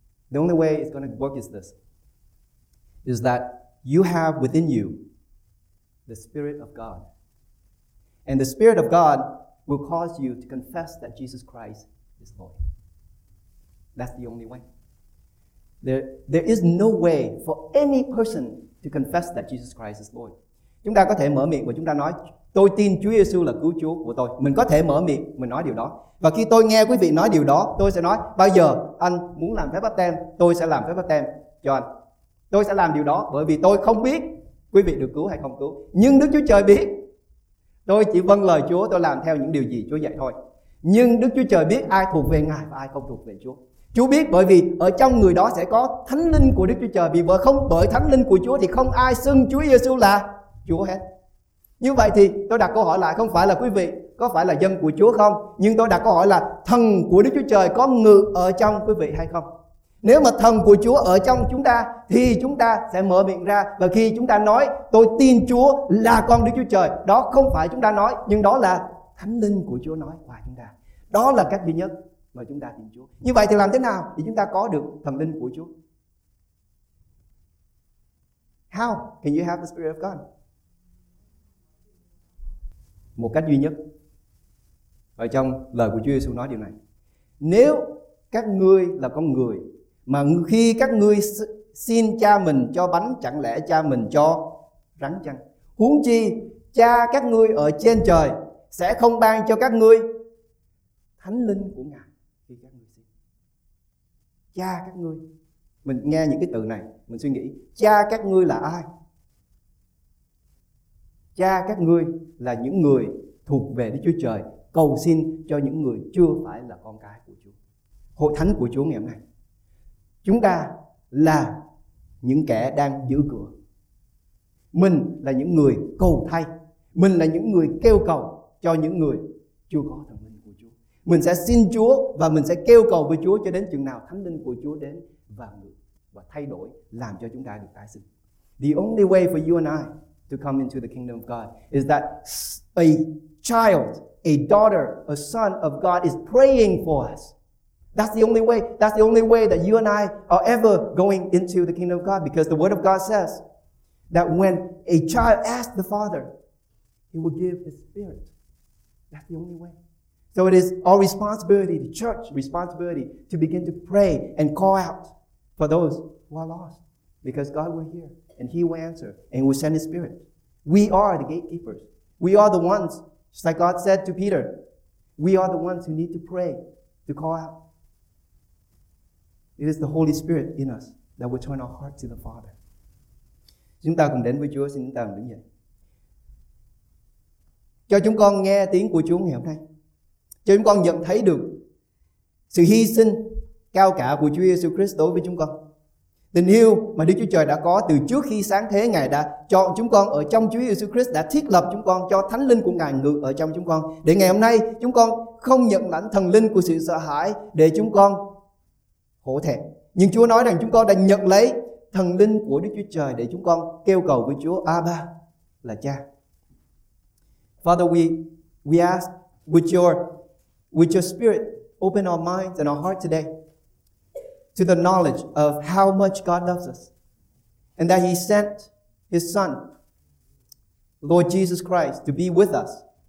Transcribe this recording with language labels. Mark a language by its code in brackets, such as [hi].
[en] The only way it's going to work is this, is that you have within you the Spirit of God. And the Spirit of God will cause you to confess that Jesus Christ is Lord. That's the only way. There is no way for any person to confess that Jesus Christ is Lord. [vi] Chúng ta có thể mở miệng và chúng ta nói, tôi tin Chúa Giêsu là cứu Chúa của tôi. Mình có thể mở miệng, mình nói điều đó. Và khi tôi nghe quý vị nói điều đó, tôi sẽ nói, bao giờ anh muốn làm phép báp têm, tôi sẽ làm phép báp têm cho anh. Tôi sẽ làm điều đó bởi vì tôi không biết quý vị được cứu hay không cứu. Nhưng Đức Chúa Trời biết. Tôi chỉ vâng lời Chúa, tôi làm theo những điều gì Chúa dạy thôi. Nhưng Đức Chúa Trời biết ai thuộc về Ngài và ai không thuộc về Chúa. Chúa biết bởi vì ở trong người đó sẽ có Thánh Linh của Đức Chúa Trời. Vì không bởi Thánh Linh của Chúa thì không ai xưng Chúa Giêsu là Chúa hết. Như vậy thì tôi đặt câu hỏi lại, không phải là quý vị có phải là dân của Chúa không, nhưng tôi đặt câu hỏi là thần của Đức Chúa Trời có ngự ở trong quý vị hay không? Nếu mà thần của Chúa ở trong chúng ta thì chúng ta sẽ mở miệng ra, và khi chúng ta nói tôi tin Chúa là con Đức Chúa Trời, đó không phải chúng ta nói, nhưng đó là Thánh Linh của Chúa nói qua chúng ta. Đó là cách duy nhất mà chúng ta tìm Chúa. Như vậy thì làm thế nào để chúng ta có được thần linh của Chúa? [en] How can you have the Spirit of God? [vi] Một cách duy nhất. Ở trong lời của Chúa Giêsu nói điều này. Nếu các ngươi là con người, mà khi các ngươi xin cha mình cho bánh, chẳng lẽ cha mình cho rắn chăng? Huống chi cha các ngươi ở trên trời sẽ không ban cho các ngươi thánh linh của Ngài khi các ngươi xin. Cha các ngươi, mình nghe những cái từ này, mình suy nghĩ, cha các ngươi là ai? Cha các ngươi là những người thuộc về Đức Chúa Trời, cầu xin cho những người chưa phải là con cái của Chúa. Hội thánh của Chúa ngày hôm nay, chúng ta là những kẻ đang giữ cửa. Mình là những người cầu thay, mình là những người kêu cầu cho những người chưa có thần linh của Chúa. Mình sẽ xin Chúa và mình sẽ kêu cầu với Chúa cho đến chừng nào thánh linh của Chúa đến và ngự và thay đổi, làm cho chúng ta được tái sinh. [en] The only way for you and I to come into the kingdom of God is that a child, a daughter, a son of God is praying for us. That's the only way. That's the only way that you and I are ever going into the kingdom of God, because the word of God says that when a child asks the Father, He will give His Spirit. That's the only way. So it is our responsibility, the church responsibility, to begin to pray and call out for those who are lost, because God will hear and He will answer and He will send His Spirit. We are the gatekeepers. We are the ones, just like God said to Peter, we are the ones who need to pray to call out. It is the Holy Spirit in us that will turn our heart to the Father. [vi] Chúng ta cùng đến với Chúa, xin chúng ta cùng đứng dậy. Cho chúng con nghe tiếng của Chúa ngày hôm nay. Cho chúng con nhận thấy được sự hy sinh cao cả của Chúa Jesus Christ đối với chúng con. Tình yêu mà Đức Chúa Trời đã có từ trước khi sáng thế, Ngài đã chọn chúng con ở trong Chúa Jesus Christ, đã thiết lập chúng con cho thánh linh của Ngài ngự ở trong chúng con. Để ngày hôm nay chúng con không nhận lãnh thần linh của sự sợ hãi để chúng con hổ thẹn. Nhưng Chúa nói rằng chúng con đã nhận lấy thần linh của Đức Chúa Trời để chúng con kêu cầu với Chúa Abba là cha. [en] Father, we ask with your spirit, open our minds and our heart today to the knowledge of how much God loves us and that He sent His Son, Lord Jesus Christ, to be with us.